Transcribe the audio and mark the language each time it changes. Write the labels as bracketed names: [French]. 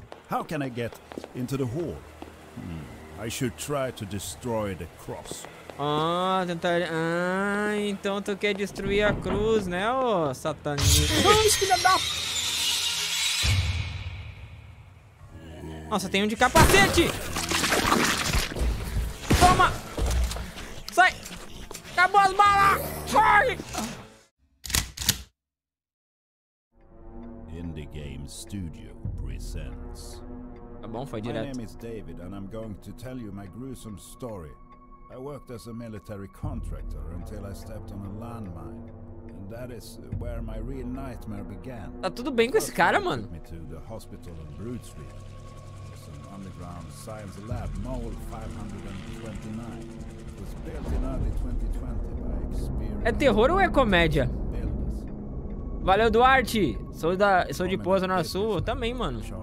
[English] How can I get into the hall? I should try to destroy the cross. [Portuguese] Ah, tentar. Ah, então tu quer destruir a cruz, né, ô satanista? Nossa, tem um de capacete! Toma! Sai! Acabou as balas! Corre! [English] Indie Game Studio presents. [Portuguese] Tá bom, foi direto. [English] My name is David and I'm going to tell you my gruesome story. I worked as a military contractor until I stepped on a landmine. And that is where my real nightmare began. [Portuguese] Tá tudo bem com esse cara, mano? [English] Took me to the hospital on Brute Street. Some underground science lab, Mole 529. It was built in early 2020 by experience. [Portuguese] É terror ou é comédia? Valeu, Duarte! Sou de Pouso na Sul, eu também, mano.